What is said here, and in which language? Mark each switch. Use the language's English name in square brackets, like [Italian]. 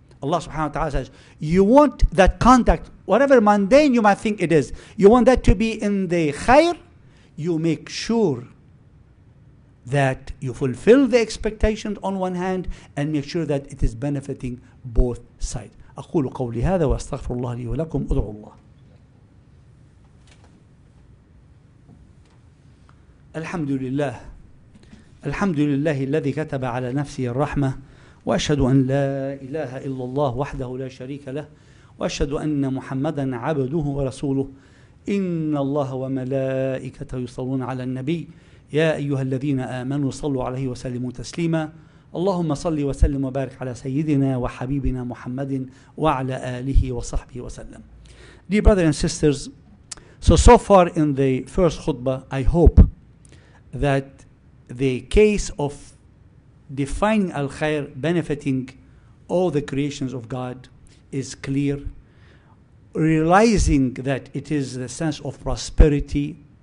[English] Allah subhanahu wa ta'ala says, you want that conduct, whatever mundane you might think it is, you want that to be in the khair, you make sure that you fulfill the expectations on one hand and make sure that it is benefiting both sides. [Arabic] أقول قولي هذا وأستغفر الله لي ولكم أدعو الله الحمد لله الحمد لله الذي كتب على نفسه الرحمة وأشهد أن لا إله إلا الله وحده لا شريك له وأشهد أن محمدا عبده ورسوله إن الله وملائكته يصلون على النبي يا أيها الذين آمنوا صلوا عليه وسلموا تسليما اللهم صل وسلم وبارك على سيدنا وحبيبنا محمد وعلى آله وصحبه وسلم. [English] Dear brothers and sisters, so far in the first khutbah, I hope that the case of defining al-khair, benefiting all the creations of God, is clear. Realizing that it is the sense of prosperity